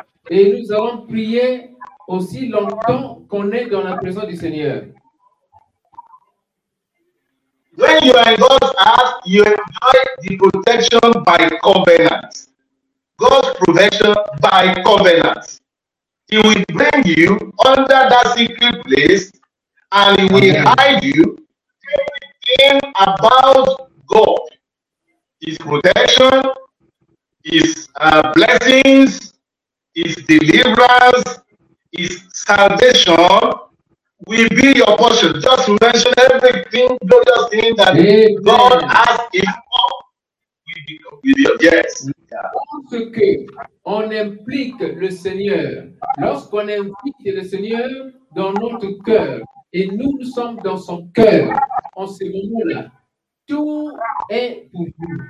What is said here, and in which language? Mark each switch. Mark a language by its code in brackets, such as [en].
[fr] Et nous allons prier aussi longtemps qu'on est dans la présence du Seigneur. [en] When when you are in God's house, you enjoy the protection by covenant. God's protection by covenant. He will bring you under that secret place and he will hide you. Everything about God, his protection, his blessings, his deliverance, his salvation will be your portion. Just mention everything, glorious thing that God has in God. [fr] Tout ce que on implique le Seigneur, lorsqu'on implique le Seigneur dans notre cœur, et nous sommes dans son cœur, en ce moment-là, tout est pour nous.